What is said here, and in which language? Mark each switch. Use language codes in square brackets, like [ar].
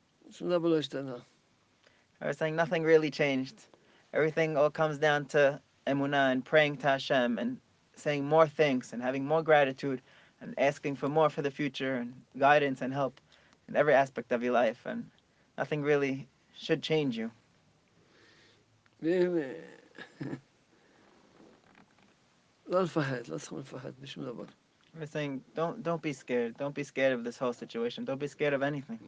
[he] שום דבר לא השתנה. [en] I was saying nothing really changed. Everything all comes down to emunah and praying to Hashem and saying more thanks and having more gratitude and asking for more for the future and guidance and help in every aspect of your life and nothing really should change you. [he] לא לפחד, לא צריך לפחד, משום דבר. [en] We're saying, don't be scared. Don't be scared of this whole situation. Don't be scared of anything.